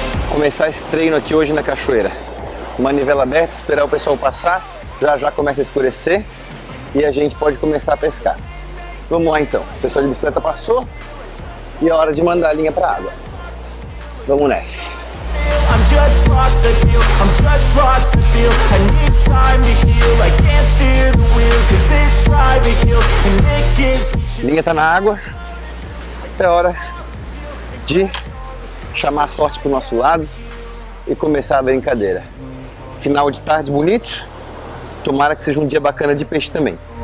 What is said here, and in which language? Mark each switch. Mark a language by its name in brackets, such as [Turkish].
[Portuguese] Começar esse treino aqui hoje na cachoeira. Manivela aberta, esperar o pessoal passar. Já começa a escurecer e a gente pode começar a pescar. Vamos lá então. O pessoal de bicicleta passou e é hora de mandar a linha para a água. Vamos nessa. [English] I'm just lost, I feel, I'm just lost, I feel. I need time to heal, I can't steer the wheel. Cause this drive it heals and it gives me... [Portuguese] Linha tá na água. É hora de chamar a sorte pro nosso lado e começar a brincadeira. Final de tarde bonito. Tomara que seja um dia bacana de peixe também.